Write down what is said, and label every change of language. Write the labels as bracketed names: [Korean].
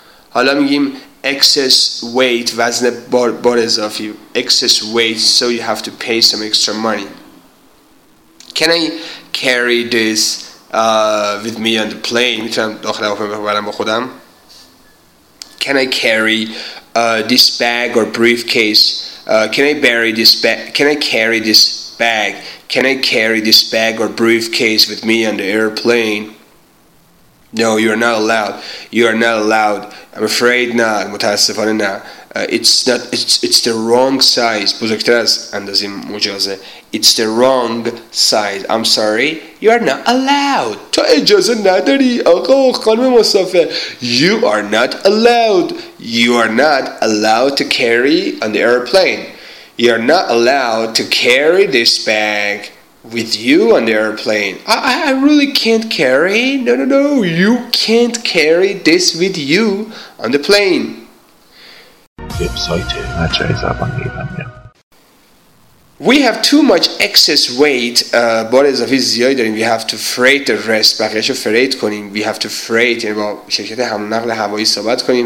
[Persian] حالا میگیم excess weight, وزن بار اضافی. [English] Excess weight, so you have to pay some extra money. Can I carry this with me on the plane? [Persian] میتونم داخل هواپیما ببرم با خودم. [English] Can I carry this bag or briefcase? Can I carry this bag or briefcase with me on the airplane? No, you are not allowed. I'm afraid not. [Persian] متاسفانه نه. [English] It's the wrong size. [Persian] بزرگتر از اندازه مجازه. [English] It's the wrong size. I'm sorry. You are not allowed. [Persian] تو اجازه نداری آقا و خانم مسافر. [English] You are not allowed. You are not allowed to carry on the airplane. You are not allowed to carry this bag with you on the airplane. I really can't carry. No. You can't carry this with you on the plane. [Persian] وبسایت مرجع زبان ایرانی. [English] We have too much excess weight. [Persian] بار اضافی زیادی داریم. [English] We have to freight the rest. [Persian] بقیهشو فریت کنیم. [English] We have to freight. [Persian] یعنی با شرکت حمل و نقل هوایی صحبت کنیم.